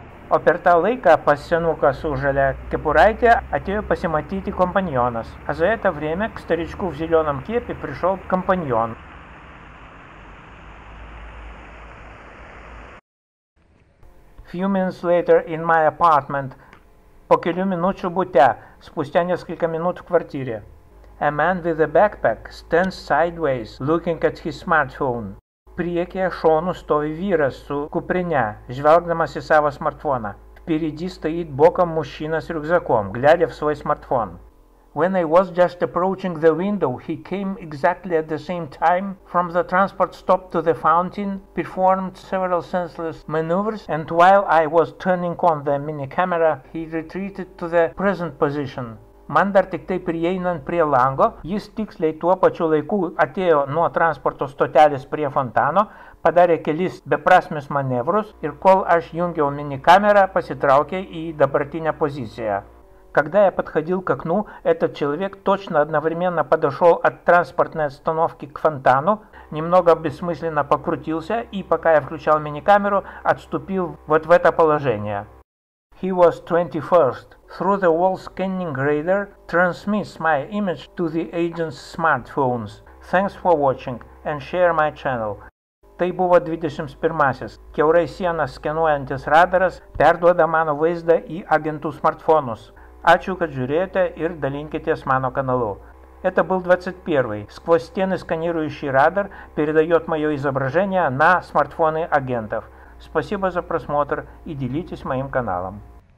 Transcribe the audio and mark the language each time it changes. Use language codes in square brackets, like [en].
[lt] O per tą laiką pas senuką su žalia kepuraitė atėjo pasimatyti kompanionas. [ru] А за это время к старичку в зеленом кепе пришел компаньон. [en] Few minutes later in my apartment. [lt] По кілю минучу бутя, [ru] спустя несколько минут в квартире. A man with a backpack stands sideways looking at his smartphone. [lt] Priekyje šonu stovi vyras su kuprine, žvelgdamas į savo smartfoną. [ru] Впереди стоит боком мужчина с рюкзаком, глядя в свой смартфон. [en] When I was just approaching the window, he came exactly at the same time from the transport stop to the fountain, performed several senseless maneuvers, and while I was turning on the mini camera, he retreated to the present position. [lt] Man dar tik tai prieinant prie lango, jis tiksliai tuo pačiu laiku atėjo nuo transporto stotelės prie fontano, padarė kelis beprasmius manevrus ir kol aš jungiau mini kamerą, pasitraukė į dabartinę poziciją. [ru] Когда я подходил к окну, этот человек точно одновременно подошел от транспортной остановки к фонтану, немного бессмысленно покрутился и, пока я включал мини-камеру, отступил вот в это положение. [en] He was 21st. Through the wall scanning radar transmits my image to the agent's smartphones. Thanks for watching and share my channel. [lt] Tai buvo 21-asis. Kiaurai sieną skenuojantis radaras perduoda mano vaizdą į agentų smartfonus. Ačiū, kad žiūrėjote ir dalinkitės mano kanalu. [ru] Это был 21-й. Сквозь стены сканирующий радар передает мое изображение на смартфоны агентов. Спасибо за просмотр и делитесь моим каналом.